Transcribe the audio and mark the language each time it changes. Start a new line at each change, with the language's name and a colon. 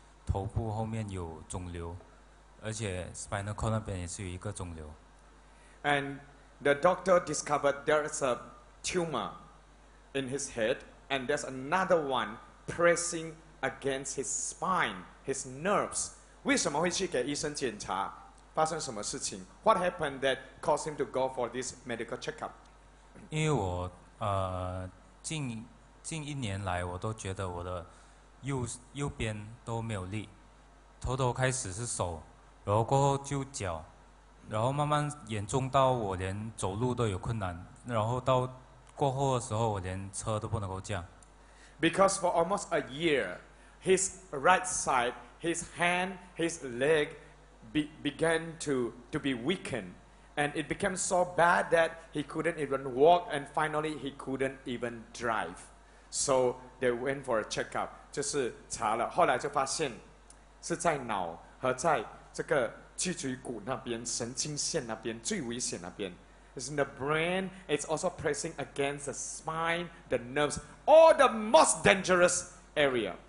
Chinese: 头部后面有肿瘤，而且
English: spinal cord
Chinese: 那边也是有一个肿瘤。
English: And the doctor discovered there is a tumor in his head, and there's another one pressing against his spine, his nerves.
Chinese: 为什么会去给医生检查？发生什么事情
English: ？What happened that caused him to go for this medical checkup?
Chinese: 因为我近一年来，我都觉得我的右边都没有力，头开始是手，然后过后就脚，然后慢慢严重到我连走路都有困难，然后到过后的时候我连车都不能够驾。
English: Because for almost a year, his right side, his hand, his leg began to be weakened, and it became so bad that he couldn't even walk, and finally he couldn't even drive. So they went for a checkup.
Chinese: 就是查了，后来就发现是在脑和在这个脊椎骨那边、神经线那边最危险那边。
English: It's in the brain. It's also pressing against the spine, the nerves, all the most dangerous area.